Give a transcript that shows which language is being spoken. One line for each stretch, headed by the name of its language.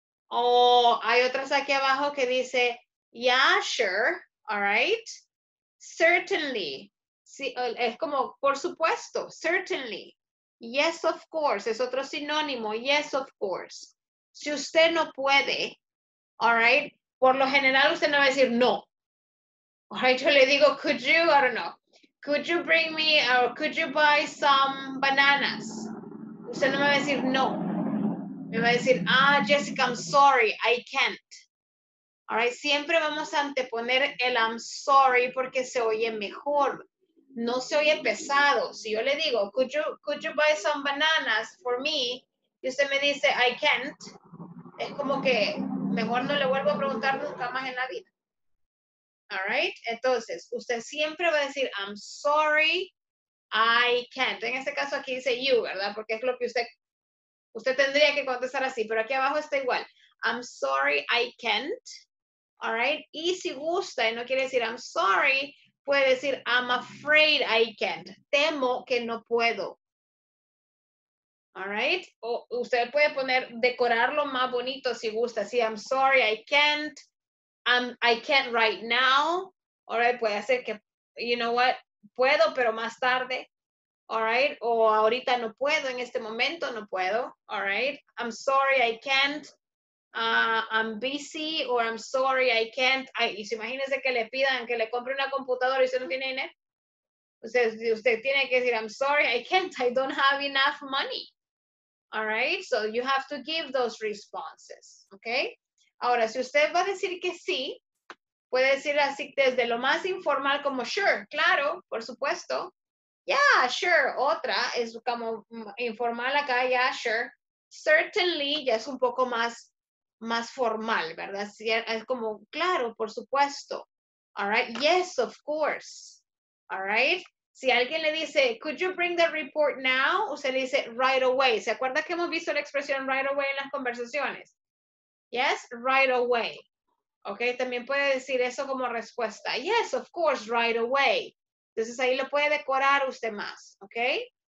Spanish: O hay otras aquí abajo que dice,
English: yeah, sure, all right.
Spanish: Certainly, sí, es como, por supuesto, certainly.
English: Yes, of course,
Spanish: es otro sinónimo,
English: yes, of course.
Spanish: Si usted no puede,
English: all right,
Spanish: por lo general usted no va a decir no.
English: All right,
Spanish: yo le digo,
English: could you, I don't know, could you bring me, or could you buy some bananas?
Spanish: Usted no me va a decir no. Me va a decir, ah, Jessica,
English: I'm sorry, I can't. All right,
Spanish: siempre vamos a anteponer el
English: I'm sorry
Spanish: porque se oye mejor. No se oye pesado. Si yo le digo,
English: could you buy some bananas for me?
Spanish: Y usted me dice,
English: I can't.
Spanish: Es como que mejor no le vuelvo a preguntar nunca más en la vida.
English: All right,
Spanish: entonces, usted siempre va a decir,
English: I'm sorry, I can't.
Spanish: En este caso aquí dice you, ¿verdad? Porque es lo que usted tendría que contestar así. Pero aquí abajo está igual.
English: I'm sorry, I can't. All right,
Spanish: y si gusta y no quiere decir
English: I'm sorry,
Spanish: puede decir
English: I'm afraid I can't.
Spanish: Temo que no puedo.
English: All right,
Spanish: o usted puede poner, decorarlo más bonito si gusta.
English: Sí, I'm sorry, I can't. I can't right now. All right,
Spanish: puede hacer que,
English: you know what,
Spanish: puedo, pero más tarde.
English: All right,
Spanish: o ahorita no puedo, en este momento no puedo.
English: All right, I'm sorry, I can't. I'm busy, or I'm sorry, I can't.
Spanish: Ay, y si imagínese que le pidan que le compre una computadora y usted no tiene dinero. Usted tiene que decir,
English: I'm sorry, I can't, I don't have enough money. All right, so you have to give those responses, okay?
Spanish: Ahora, si usted va a decir que sí, puede decir así desde lo más informal como,
English: sure,
Spanish: claro, por supuesto.
English: Yeah, sure,
Spanish: otra es como informal acá,
English: yeah, sure.
Spanish: Certainly, ya es un poco más formal, ¿verdad? Es como, claro, por supuesto.
English: All right, yes, of course. All right,
Spanish: si alguien le dice,
English: could you bring the report now?
Spanish: Usted le dice,
English: right away.
Spanish: ¿Se acuerda que hemos visto la expresión
English: right away
Spanish: en las conversaciones?
English: Yes, right away.
Spanish: Ok, también puede decir eso como respuesta.
English: Yes, of course, right away.
Spanish: Entonces ahí lo puede decorar usted más, ok.